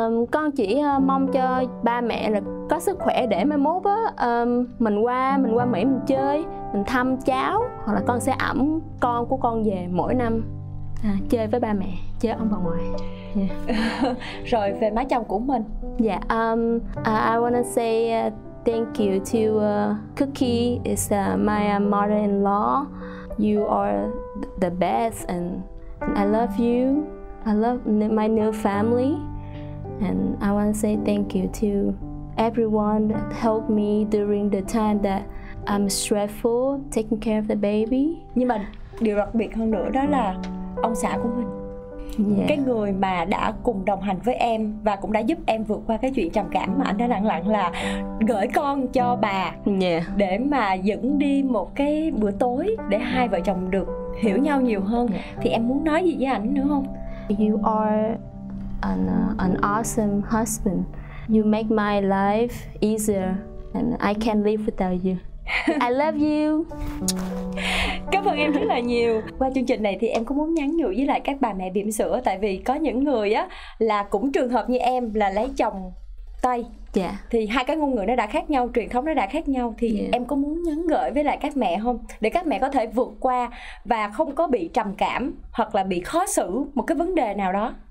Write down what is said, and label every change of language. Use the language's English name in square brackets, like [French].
[Vietnamese] Con chỉ mong cho ba mẹ là có sức khỏe để mai mốt á, mình qua Mỹ mình chơi, mình thăm cháu, hoặc là con sẽ ẵm con của con về mỗi năm chơi với ba mẹ, chơi ông bà ngoại. Yeah. Rồi về má chồng của mình. [English] Dạ, I wanna say thank you to Cookie, it's my mother-in-law. You are the best and I love you. I love my new family. And I want to say thank you to everyone that helped me during the time that I'm stressful taking care of the baby. [Vietnamese] Nhưng mà điều đặc biệt hơn nữa đó là ông xã của mình. Yeah. Cái người mà đã cùng đồng hành với em và cũng đã giúp em vượt qua cái chuyện trầm cảm mà anh đã lặng lặng là gửi con cho bà. Yeah. Để mà dẫn đi một cái bữa tối để hai vợ chồng được hiểu nhau nhiều hơn. Yeah. Thì em muốn nói gì với anh nữa không? [English] You are an awesome husband. You make my life easier and I can't live without you. I love you. [Vietnamese] Cảm ơn em rất là nhiều. Qua chương trình này thì em cũng muốn nhắn nhủ với lại các bà mẹ bỉm sữa, tại vì có những người á là cũng trường hợp như em là lấy chồng Tây. Yeah. Thì hai cái ngôn ngữ nó đã khác nhau, truyền thống nó đã khác nhau, thì yeah, em có muốn nhắn gửi với lại các mẹ không, để các mẹ có thể vượt qua và không có bị trầm cảm hoặc là bị khó xử một cái vấn đề nào đó.